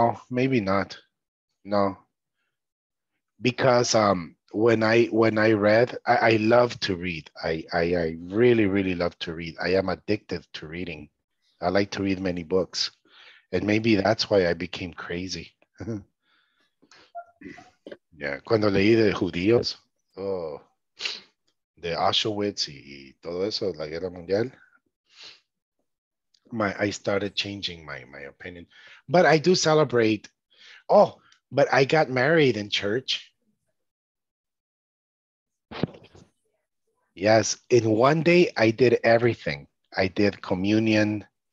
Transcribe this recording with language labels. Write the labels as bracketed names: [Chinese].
[English] Maybe not, because when I read, I love to read. I really, really love to read. I am addicted to reading. I like to read many books, and maybe that's why I became crazy. [Spanish] Yeah, cuando leí de judíos, de Auschwitz y todo eso, la guerra mundial. [English] I started changing my opinion, but I do celebrate. Oh, but I got married in church. Yes, in one day I did everything. I did communion.